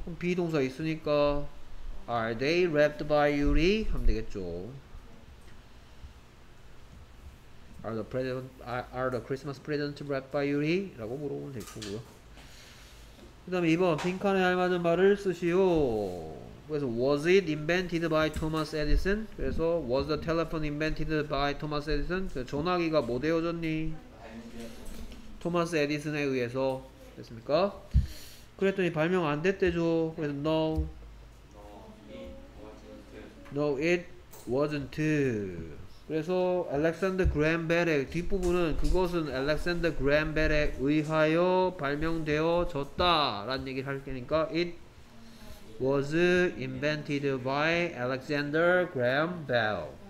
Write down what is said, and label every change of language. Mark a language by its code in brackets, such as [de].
[ko] 그럼 비동사 있으니까 [en] are they wrapped by [ko] 유리 하면 되겠죠. [en] Are the present are the Christmas present wrapped by 유리 [ko] 라고 물어보면 될 거고요. 그 다음에 이번 빈칸에 알맞은 말을 쓰시오. 그래서 [en] was it invented by Thomas Edison? [ko] 그래서 [en] was the telephone invented by Thomas Edison? [ko] 전화기가 뭐 되어졌니? 토마스 에디슨에 의해서 됐습니까? 그랬더니 발명 안 됐대죠. 그래서 [en] no. No, it wasn't. [ko] No, it wasn't. 그래서 알렉산더 그램 벨의 뒷부분은 그것은 알렉산더 그램 벨에 의하여 발명되어졌다 라는 얘기를 할 테니까 [en] It was invented by Alexander Graham Bell.